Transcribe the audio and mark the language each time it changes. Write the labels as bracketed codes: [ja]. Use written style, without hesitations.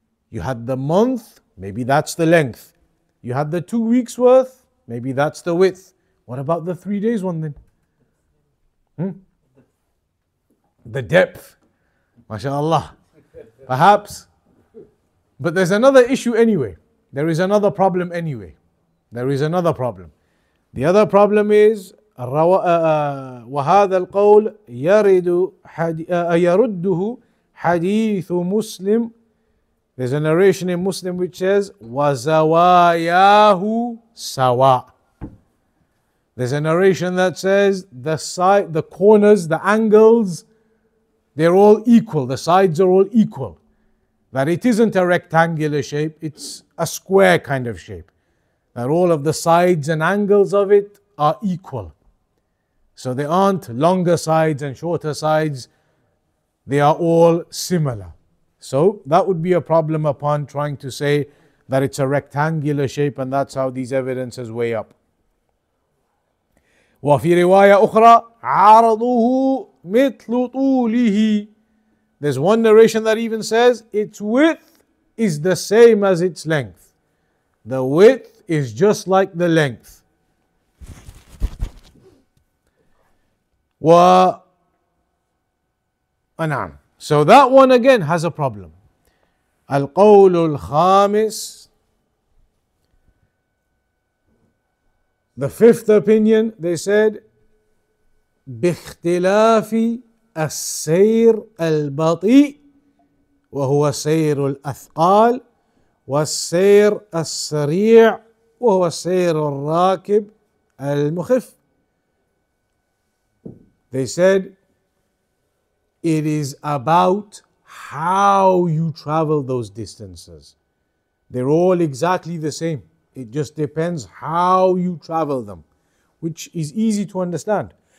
[en] You had the month, maybe that's the length. You had the 2 weeks worth, maybe that's the width. What about the 3 days one then? The depth. MashaAllah. Perhaps. But there's another issue anyway. There is another problem anyway. There is another problem. The other problem is [ar] وَهَذَا الْقَوْلُ يَرِدُ يَرُدُّهُ حَدِيثُ مُسْلِمٍ. [en] There's a narration in Muslim which says [ar] وَزَوَايَاهُ سَوَى. [en] There's a narration that says the side, the corners, the angles, they're all equal. The sides are all equal. That it isn't a rectangular shape, it's a square kind of shape. That all of the sides and angles of it are equal. So they aren't longer sides and shorter sides. They are all similar. So that would be a problem upon trying to say that it's a rectangular shape, and that's how these evidences weigh up. [ar] وَفِي رِوَايَةٍ أُخْرَى عَرَضُهُ مِثْلُ طُولِهِ. [en] There's one narration that even says its width is the same as its length. The width is just like the length. وَأَنَعَمْ. So that one again has a problem. [ar] الْقَوْلُ الْخَامِسِ. [en] The fifth opinion, they said, [ar] بِاخْتِلَافِ السَّيْرِ الْبَطِيءِ وَهُوَ سَيْرُ الْأَثْقَالِ وَالسَّيْرِ السَّرِيعِ وَهُوَ سَيْرُ الرَّاكِبِ الْمُخِفِ. [en] They said, it is about how you travel those distances. They're all exactly the same. It just depends how you travel them, which is easy to understand.